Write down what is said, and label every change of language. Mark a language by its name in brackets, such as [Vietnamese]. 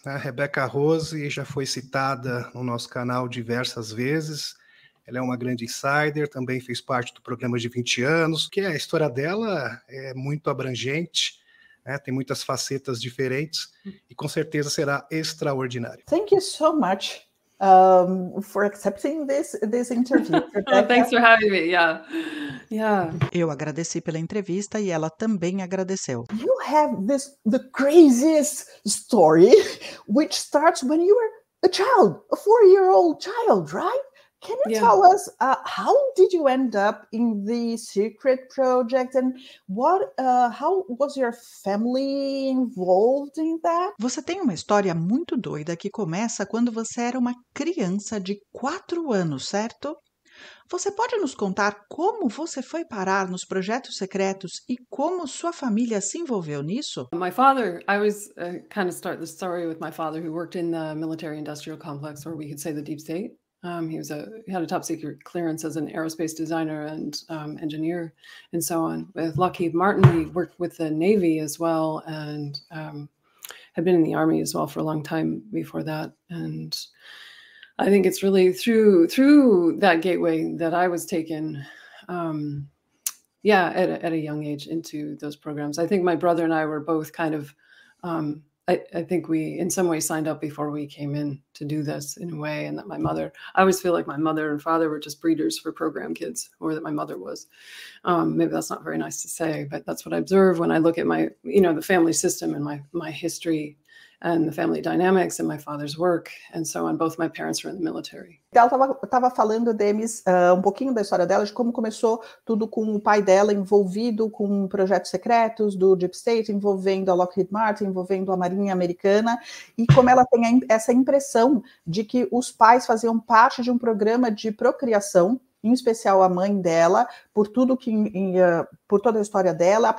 [Portuguese] A Rebeca Rose já foi citada no nosso canal diversas vezes. Ela é uma grande insider, também fez parte do programa de 20 anos, que a história dela é muito abrangente, né? Tem muitas facetas diferentes e com certeza será extraordinária. [English] Thank you so much for accepting this interview, Oh, Rebecca. thanks for having me. Yeah. [Portuguese] Eu agradeci pela entrevista e ela também agradeceu. [English] You have this the craziest story, which starts when you were a child, a four-year-old child, right? Can you Yeah. tell us how did you end up in the secret project, and what how was your family involved in that? [Portuguese] Você tem uma história muito doida que começa quando você era uma criança de 4 anos, certo? Você pode nos contar como você foi parar nos projetos secretos e como sua família se envolveu nisso? [English] My father, I was kind of start the story with my father, who worked in the military industrial complex, or we could say the deep state. He had a top secret clearance as an aerospace designer and engineer, and so on. With Lockheed Martin, he worked with the Navy as well, and had been in the Army as well for a long time before that. And I think it's really through that gateway that I was taken. At a young age into those programs. I think my brother and I were both kind of, I think we in some way signed up before we came in to do this in a way, and that my mother, I always feel like my mother and father were just breeders for program kids, or that my mother was. Maybe that's not very nice to say, but that's what I observe when I look at my, the family system and my history and the family dynamics and my father's work and so on. Both my parents were in the military. [Portuguese] Ela estava falando, Demis, um pouquinho da história dela, de como começou tudo com o pai dela envolvido com projetos secretos do Deep State, envolvendo a Lockheed Martin, envolvendo a Marinha Americana, e como ela tem essa impressão de que os pais faziam parte de um programa de procriação, em especial a mãe dela, por tudo que, por toda a história dela.